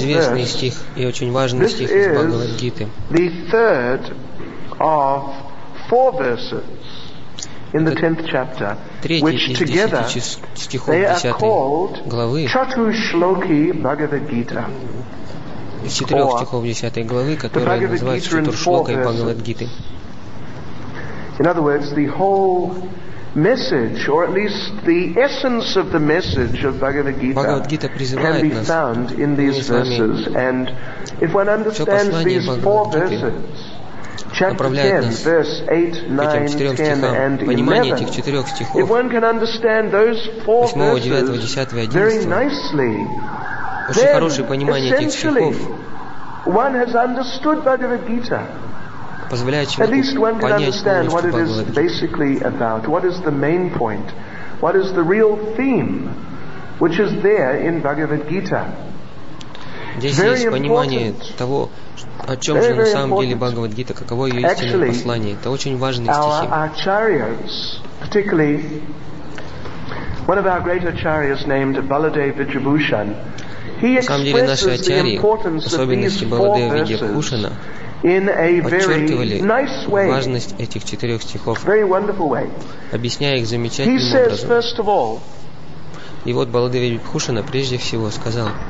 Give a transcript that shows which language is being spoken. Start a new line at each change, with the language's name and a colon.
English: This is the third of four verses in the tenth chapter, which together they are called Chatushloki Bhagavad Gita.
Russian: Из четырех стихов десятой главы, которая называется Четуршлокой Бхагавадгиты.
English: In other words, the whole message, or at least the essence of the message of Bhagavad Gita, can be found in these verses. And if one understands these four verses, chapter 10, verse 8, 9, 10, and 11, if one can understand those four verses very nicely,
Russian: очень хорошее понимание этих стихов
English: one has understood Bhagavad Gita.
Russian: Позволяет человеку понять,
English: what it is basically about, what is the main point, what is the real theme, which is there in Bhagavad Gita.
Russian: Здесь есть понимание того, о чем же на самом деле Бхагавад Гита, каково ее истинное послание. Это очень важные стихи.
English: Acharyas, particularly one of our great acharyas named Baladeva Vidyabhushan.
Russian: На самом деле наши ачарьи, в особенности Баладея Видьябхушана, подчеркивали важность этих четырех стихов, объясняя их замечательным образом. И вот Баладея Видьябхушана прежде всего сказал,